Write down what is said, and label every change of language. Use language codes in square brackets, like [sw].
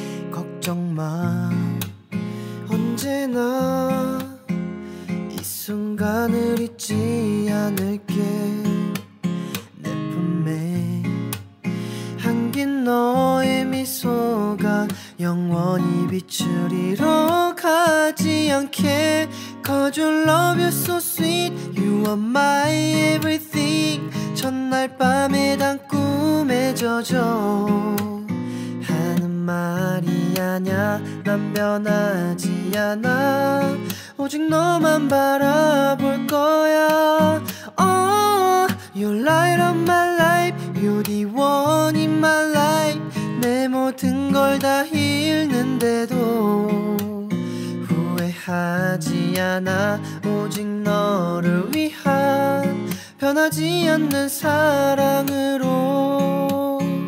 [ko] 걱정 마. 언제나 이 순간을 잊지 않을게. 내 품에 안긴 너의 미소가 영원히 빛을 잃어가지 않게. [en] 'Cause your love is so sweet, you are my everything. [ko] 첫날 밤에 단 꿈에 젖어 하는 말이 아냐. 난 변하지 않아. 오직 너만 바라볼 거야. [en] Oh, you light up my life, you're the one in my life. [ko] 내 모든 걸 다 잃는데도 후회하지 않아. 오직 너를 위한 변하지 않는 사랑으로.